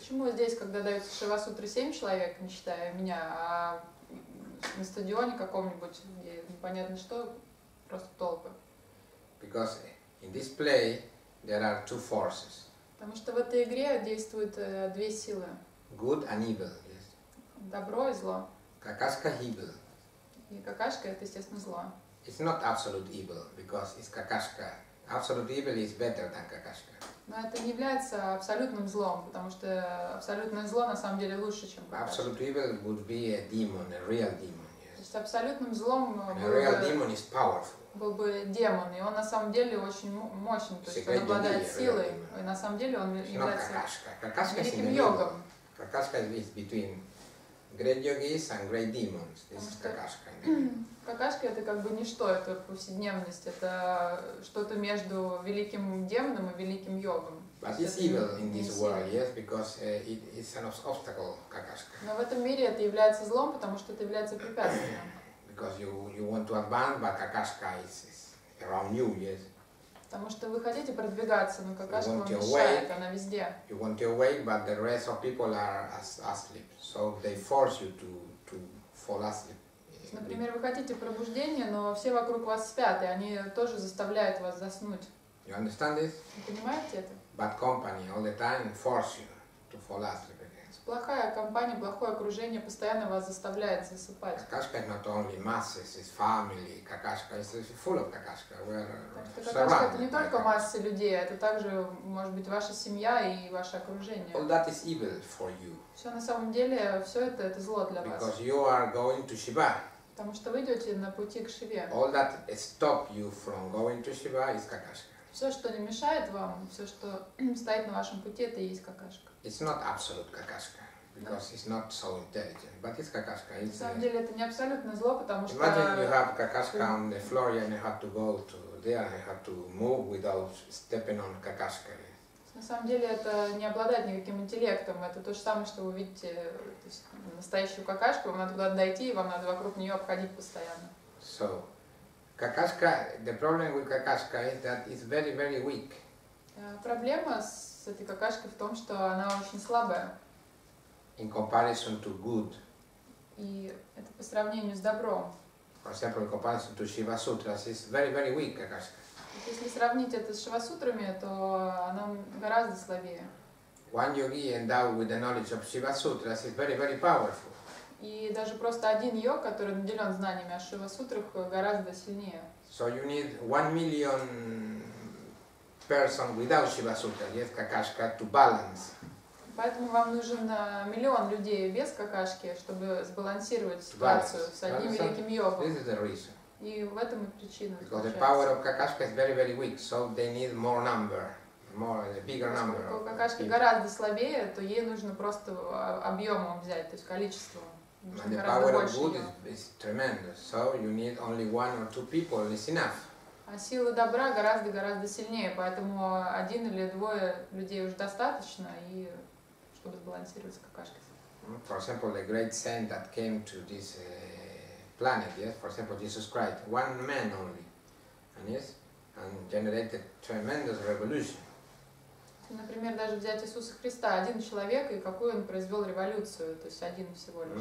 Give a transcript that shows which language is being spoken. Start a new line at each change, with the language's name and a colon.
Russian: Почему здесь, когда даются Шивасутры 7 человек, не считая меня, а на стадионе каком-нибудь, где непонятно что, просто толпы?
English: Because in this play there are two forces.
Russian: Потому что в этой игре действуют две силы.
English: Good and evil, yes.
Russian: Добро и зло.
English: Kakashka evil.
Russian: И Kakashka это, естественно, зло.
English: It's not absolute evil because it's Kakashka. Absolute evil is better than Kakashka.
Russian: Но это не является абсолютным злом, потому что абсолютное зло на самом деле лучше, чем Kakashka.
English: Absolute evil would be a demon, a real demon. Yes.
Russian: То есть абсолютным злом был бы.
English: A real demon is powerful.
Russian: Был бы демон, и он на самом деле очень мощен, то есть он обладает силой, и на самом деле он является великим йогом.
English: Kakashka is between great yogis and great demons. This is Kakashka.
Russian: Какашка это как бы ничто, это повседневность, это что-то между великим демоном и великим йогом.
English: But it's evil in this world, yes, because it's an obstacle, Какашка.
Russian: Но в этом мире это является злом, потому что это является препятствием.
English: Because you want to advance, but Какашка is around you, yes.
Russian: Потому что вы хотите продвигаться, но Какашка вам мешает, она везде.
English: You want to awake, but the rest of people are asleep, so they force you to fall asleep.
Russian: Например, вы хотите пробуждения, но все вокруг вас спят, и они тоже заставляют вас заснуть.
English: You understand this?
Russian: Вы понимаете это?
English: Bad company all the time force you to fall asleep again.
Russian: Плохая компания, плохое окружение постоянно вас заставляет засыпать.
English: Kakashka is not only masses, it's family. Kakashka is full of Kakashka.
Russian: Kakashka это не только масса людей, это также может быть ваша семья и ваше окружение.
English: All that is evil for you.
Russian: Все на самом деле, все это зло для вас.
English: Because you are going to Shiva.
Russian: Потому что вы идете на пути к Шиве.
English: All that stop you from going to Shiva is Kakashka.
Russian: Все, что не мешает вам, все, что стоит на вашем пути, это и есть Kakashka.
English: It's not absolute Kakashka. because it's not so intelligent. But it's Kakashka.
Russian: На самом деле это не абсолютно зло, потому что.
English: Imagine you have Kakashka on the floor and you have to go to there and you have to move without stepping on Kakashka.
Russian: На самом деле это не обладает никаким интеллектом. Это то же самое, что вы видите настоящую какашку, вам надо куда-то дойти, и вам надо вокруг нее обходить постоянно.
English: So, какашка, the problem with какашка is that it's very, very weak.
Russian: Проблема с этой какашкой в том, что она очень слабая.
English: In comparison to good.
Russian: И это по сравнению с добром.
English: For example, in comparison to Shiva Sutras, it's very, very weak какашка.
Russian: Если сравнить это с Шивасутрами, то она гораздо слабее.
English: One yogi endowed with the knowledge of Shivasutras is very, very powerful.
Russian: И даже просто один йог, который наделен знаниями о Шивасутрах, гораздо сильнее.
English: So you need 1 million person without Shivasutra, yes, Kakashka, to balance.
Russian: Поэтому вам нужен 1 миллион людей без какашки, чтобы сбалансировать ситуацию с одним великим йогом.
English: This is the reason.
Russian: И в этом и причина.
English: Because the power of Kakashka is very, very weak, so they need more number, more, a bigger number.
Russian: Поскольку Kakashka гораздо слабее, то ей нужно просто объемом взять, то есть количеством.
English: And the power of good is tremendous, so you need only 1 or 2 people, it's enough.
Russian: А сила добра гораздо сильнее, поэтому 1 или 2 людей уже достаточно, и чтобы сбалансировать с Kakashkой.
English: For example, the great saint that came to this planet, yes, for example, Jesus Christ, 1 man only, and yes, and generated tremendous revolution.
Russian: Например, даже взять Иисуса Христа, 1 человек, и какую он произвел революцию, то есть 1 всего лишь.